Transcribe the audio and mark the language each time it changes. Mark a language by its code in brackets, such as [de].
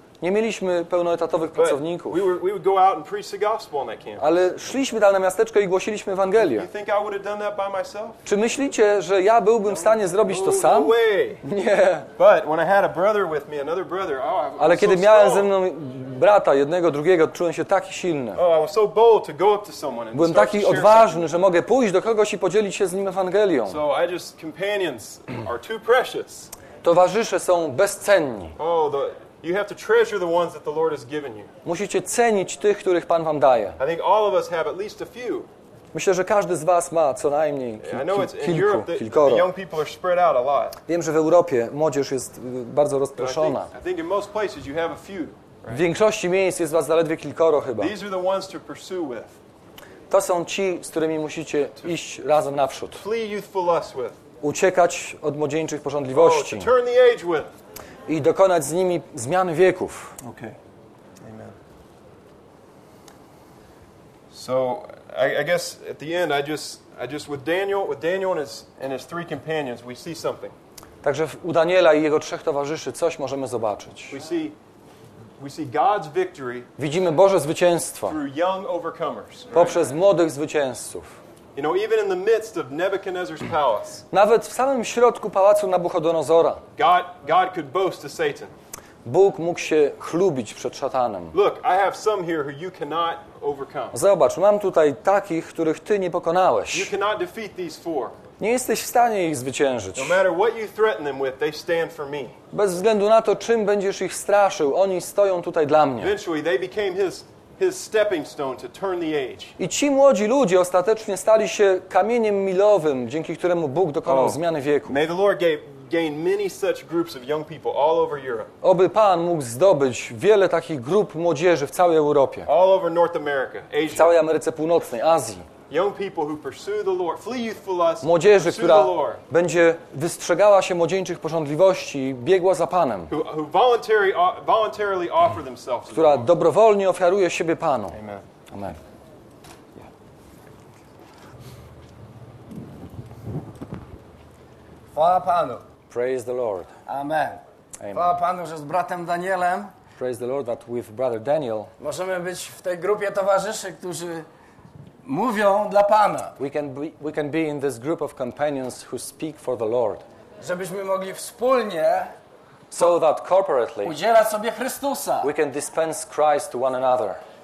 [pl] Nie mieliśmy pełnoetatowych pracowników. [en] We would go out and preach the gospel on that campus. [pl] Ale szliśmy dalej na miasteczko i głosiliśmy Ewangelię. [en] You think I would have done that by myself? [pl] Czy myślicie, że ja byłbym w stanie zrobić to sam? [en] No way. [pl] Nie. [en] But when I had a brother with me, another brother, oh, I was [pl] Ale kiedy [en] so [pl] miałem [en] strong. [pl] Ze mną brata, jednego, drugiego, czułem się taki silny. [en] Oh, I was so bold to go up to someone and [pl] Byłem [en] start [pl] taki [en] to [pl] odważny, [en] share [pl] że mogę pójść do kogoś i podzielić się z nim Ewangelią. [en] So I just companions are too precious. [pl] Towarzysze są bezcenni. [en] Oh, the You have to treasure the ones that the Lord has given you. [pl] Musicie cenić tych, których Pan wam daje. [en] I think all of us have at least a few. [pl] Myślę, że każdy z was ma co najmniej kilkoro. [en] The young people are spread out a lot. [pl] Wiem, że w Europie młodzież jest bardzo rozproszona. [en] I think in most places you have a few. [pl] W większości miejsc jest was zaledwie kilkoro chyba. [en] These are the ones to pursue with. [pl] To są ci, z którymi musicie iść razem naprzód. [en] Flee youthful lust with. [pl] Uciekać od młodzieńczych pożądliwości. [en] Oh, to turn the age with. [pl] I dokonać z nimi zmian wieków. [en] Okay. Amen. So, I guess at the end I just with Daniel and his three companions, we see something. [pl] Także u Daniela i jego trzech towarzyszy coś możemy zobaczyć. [en] We see God's victory. [pl] Widzimy Boże zwycięstwo. [en] Through young overcomers. [pl] Poprzez młodych zwycięzców. [en] You know, even in the midst of Nebuchadnezzar's palace. [pl] Nawet w samym środku pałacu Nabuchodonozora. [en] God could boast to Satan. [pl] Bóg mógł się chlubić przed szatanem. [en] Look, I have some here who you cannot overcome. [pl] Zobacz, mam tutaj takich, których ty nie pokonałeś. [en] You cannot defeat these four. [pl] Nie jesteś w stanie ich zwyciężyć. [en] No matter what you threaten them with, they stand for me. [pl] Bez względu na to, czym będziesz ich straszył, oni stoją tutaj dla mnie. [en] Eventually they became his stepping stone to turn the age. [pl] I ci młodzi ludzie ostatecznie stali się kamieniem milowym, dzięki któremu Bóg dokonał zmiany wieku. [en] May the Lord gain many such groups of young people all over Europe. [pl] Oby Pan mógł zdobyć wiele takich grup młodzieży w całej Europie. [en] All over North America, Asia. [pl] W całej Ameryce Północnej, Azji. [en] Young people who pursue the Lord, flee youthful lust. [pl] Młodzieży, która będzie wystrzegała się młodzieńczych pożądliwości i biegła za Panem. [en] Who voluntarily offer themselves. [pl] Która dobrowolnie ofiaruje siebie Panu. [en] Amen. [pl] Chwała Panu. [en] Praise the Lord. Amen. Amen. [pl] Chwała Panu, że z bratem Danielem. [en] Praise the Lord that with brother Daniel. [pl] Możemy być w tej grupie towarzyszy, którzy mówią dla Pana. [en] We can be in this group of companions who speak for the Lord. [pl] Żebyśmy mogli wspólnie, [en] so that corporately, [pl] udzielać sobie Chrystusa. [en] We can dispense Christ to one another.